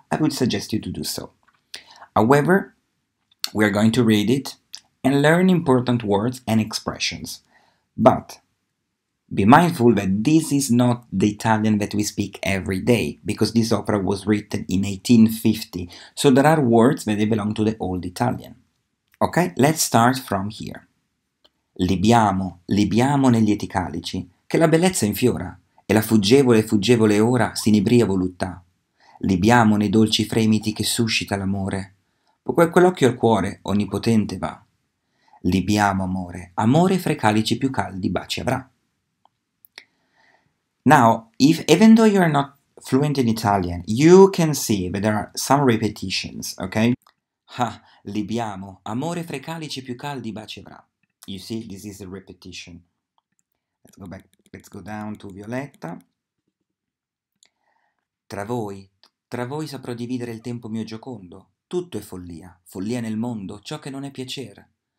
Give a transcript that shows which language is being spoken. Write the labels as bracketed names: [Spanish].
[English] I would suggest you to do so. However, we are going to read it and learn important words and expressions. But be mindful that this is not the Italian that we speak every day, because this opera was written in 1850. So there are words that they belong to the old Italian. Okay, let's start from here. [Italian] Libiamo, libiamo negli eticalici, che la bellezza infiora, e la fuggevole, fuggevole ora s'inebria voluttà. Libiamo nei dolci fremiti che suscita l'amore. Poi quell'occhio al cuore onnipotente va. Libiamo amore, amore fra i calici più caldi baci avrà. [English] Now, if even though you are not fluent in Italian, you can see that there are some repetitions, okay? [Italian] Ha, libiamo, amore fra i calici più caldi baci avrà. [English] You see, this is a repetition. Let's go back, let's go down to Violetta. [Italian] Tra voi saprò dividere il tempo mio giocondo. Tutto è follia, follia nel mondo, ciò che non è piacere.